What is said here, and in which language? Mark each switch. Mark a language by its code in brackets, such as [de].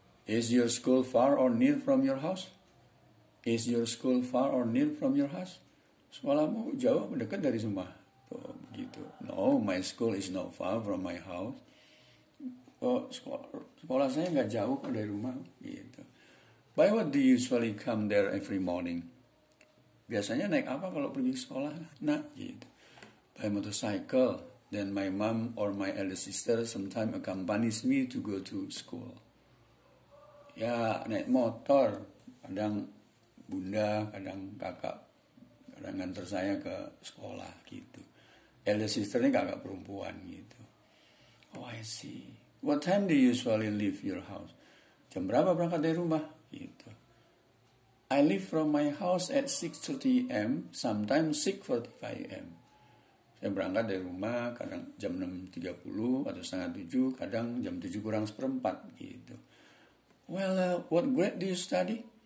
[en] Is your school far or near from your house? Is your school far or near from your house? [id] Sekolahmu jauh atau dekat dari rumah? Oh, begitu. [en] No, my school is not far from my house. [id] Oh, sekolah saya enggak jauh dari rumah. Gitu. [en] By what do you usually come there every morning? [id] Biasanya naik apa kalau pergi sekolah? Nah, gitu. [en] By motorcycle. Then my mom or my elder sister sometimes accompanies me to go to school. [id] Ya, naik motor. Kadang bunda, kadang kakak. Kadang nganter saya ke sekolah, gitu. Elder sisternya kakak perempuan gitu. [en] Oh I see. What time do you usually leave your house? [id] Jam berapa berangkat dari rumah? Gitu. [en] I leave from my house at 6:30 a.m. Sometimes 6:45 a.m. [id] Saya berangkat dari rumah kadang jam 6:30 atau 6:30. Kadang jam 7 kurang seperempat gitu. [en] Well, what grade do you study?